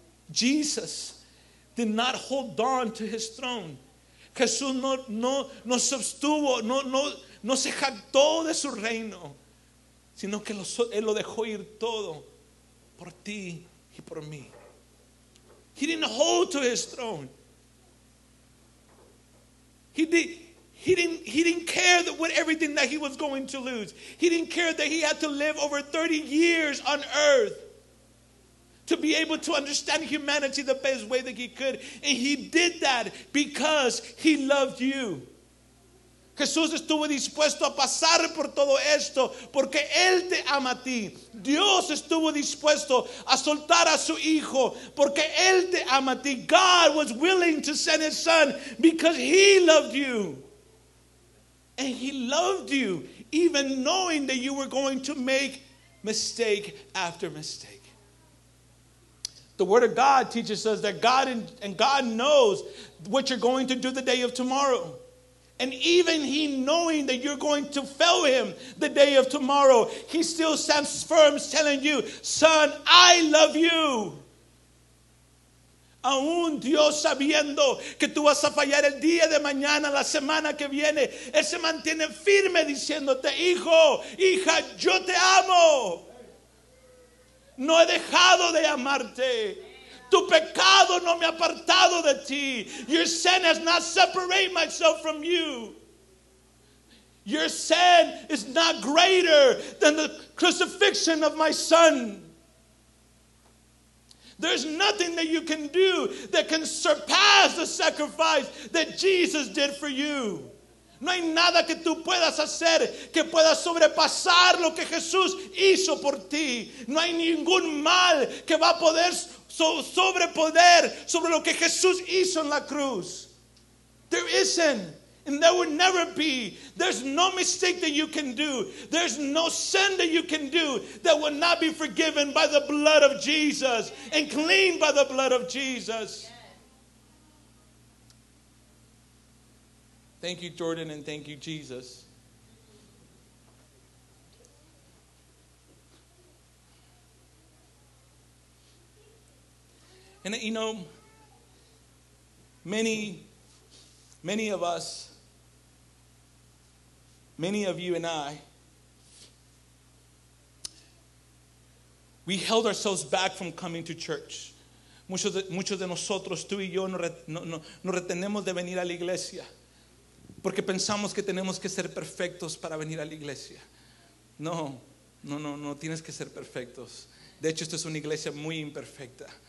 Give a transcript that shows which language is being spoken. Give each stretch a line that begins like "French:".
English: Jesus did not hold on to his throne.
Spanish: Jesús no se abstuvo, no se jactó de su reino, sino que él lo dejó ir todo por ti y por mí.
English: He didn't hold to his throne. He did, He didn't care that what everything that he was going to lose. He didn't care that he had to live over 30 years on earth to be able to understand humanity the best way that he could. And he did that because he loved you.
Spanish: Jesús estuvo dispuesto a pasar por todo esto porque Él te ama a ti. Dios estuvo dispuesto a soltar a su Hijo porque Él te ama a ti.
English: God was willing to send His Son because He loved you. And He loved you even knowing that you were going to make mistake after mistake. The Word of God teaches us that God and God knows what you're going to do the day of tomorrow. And even he knowing that you're going to fail him the day of tomorrow, he still stands firm telling you, son, I love you.
Spanish: Aún Dios sabiendo que tú vas a fallar el día de mañana, la semana que viene, él se mantiene firme diciéndote, hijo, hija, yo te amo. No he dejado de amarte. Tu pecado no me ha apartado de ti.
English: Your sin has not separated myself from you. Your sin is not greater than the crucifixion of my son. There's nothing that you can do that can surpass the sacrifice that Jesus did for you.
Spanish: No hay nada que tú puedas hacer que pueda sobrepasar lo que Jesús hizo por ti. No hay ningún mal que va a poder sobrepoder sobre lo que Jesús hizo en la cruz.
English: There isn't, and there will never be. There's no mistake that you can do. There's no sin that you can do that will not be forgiven by the blood of Jesus and cleaned by the blood of Jesus. Thank you, Jordan, and thank you, Jesus. And you know, many of us, many of you and I, we held ourselves back from coming to church.
Spanish: Muchos de nosotros, tú y yo, no retenemos de venir a la iglesia. Porque pensamos que tenemos que ser perfectos para venir a la iglesia. No tienes que ser perfectos. De hecho, esto es una iglesia muy imperfecta.